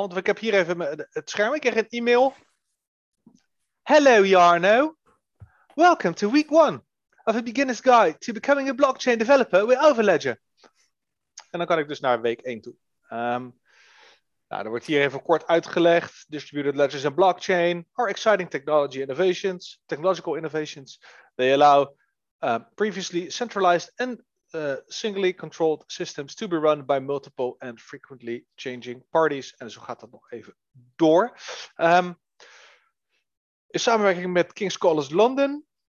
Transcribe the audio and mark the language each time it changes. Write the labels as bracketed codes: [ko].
[nl] Want ik heb hier even het scherm. Ik krijg een e-mail. [en] Hello, Jarno. Welcome to week one of a beginner's guide to becoming a blockchain developer with Overledger. [nl] En dan kan ik dus naar week 1 toe. Nou, er wordt hier even kort uitgelegd. [en] Distributed ledgers and blockchain are exciting technological innovations. They allow previously centralized and singly controlled systems to be run by multiple and frequently changing parties. [nl] En zo gaat dat nog even door. In samenwerking met King's College London.